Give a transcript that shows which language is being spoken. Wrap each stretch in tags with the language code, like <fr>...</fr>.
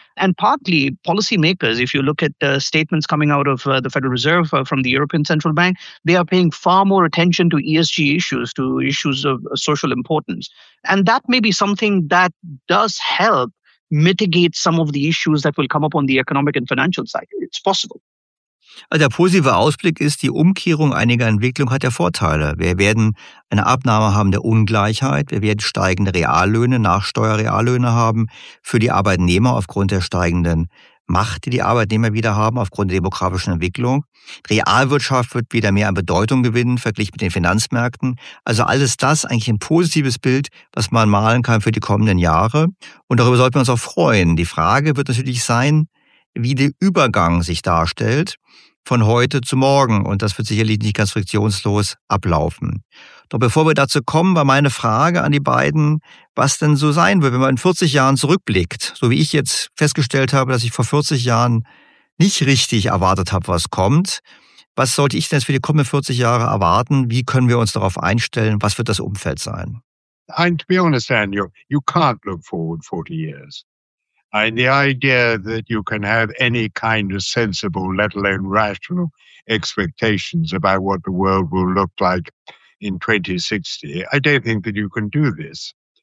<en>And partly policymakers, if you look at the statements coming out of the Federal Reserve from the European Central Bank, they are paying far more attention to ESG issues, to issues of social importance. And that may be something that does help mitigate some of the issues that will come up on the economic and financial side. It's possible.</en> <de>Also der positive Ausblick ist, die Umkehrung einiger Entwicklungen hat ja Vorteile. Wir werden eine Abnahme haben der Ungleichheit, wir werden steigende Reallöhne, Nachsteuerreallöhne haben für die Arbeitnehmer aufgrund der steigenden Macht, die die Arbeitnehmer wieder haben aufgrund der demografischen Entwicklung. Realwirtschaft wird wieder mehr an Bedeutung gewinnen, verglichen mit den Finanzmärkten. Also alles das eigentlich ein positives Bild, was man malen kann für die kommenden Jahre. Und darüber sollten wir uns auch freuen. Die Frage wird natürlich sein, wie der Übergang sich darstellt von heute zu morgen. Und das wird sicherlich nicht ganz friktionslos ablaufen. Doch bevor wir dazu kommen, war meine Frage an die beiden, was denn so sein wird, wenn man in 40 Jahren zurückblickt, so wie ich jetzt festgestellt habe, dass ich vor 40 Jahren nicht richtig erwartet habe, was kommt. Was sollte ich denn jetzt für die kommenden 40 Jahre erwarten? Wie können wir uns darauf einstellen? Was wird das Umfeld sein?</de> <en>And to be honest, Daniel, you can't look forward 40 years. And the idea that you can have any kind of sensible, let alone rational, expectations about what the world will look like in 2060, I don't think that you can do this.</en>